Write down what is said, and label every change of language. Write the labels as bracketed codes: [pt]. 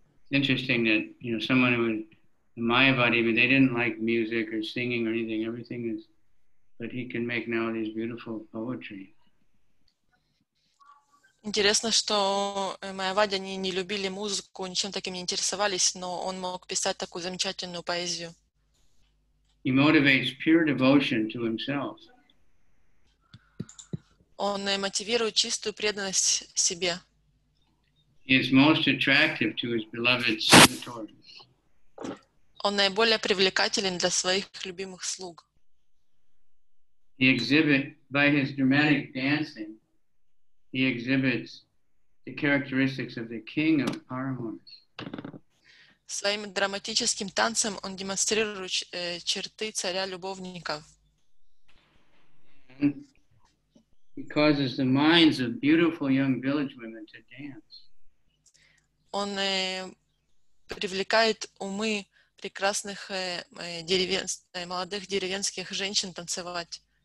[en] Interesting that, you know, someone who would, in Mayavadi, they didn't like music or singing or anything, everything is, but he can make now these beautiful poetry. [ru] Интересно, что Майавади, они не любили музыку, ничем таким не интересовались, но он мог писать такую замечательную поэзию. [en] He motivates pure devotion to himself. [ru] Он мотивирует чистую преданность себе. [en] He is most attractive to his beloved servitors. [ru] Он наиболее привлекателен для своих любимых слуг. [en] He exhibits, by his dramatic dancing, he exhibits the characteristics of the king of Paramahamsas. [ru] Своим драматическим танцем он демонстрирует черты царя любовников. [en] He causes the minds of beautiful young village women to dance. [ru] Он привлекает умы прекрасных молодых деревенских женщин танцевать.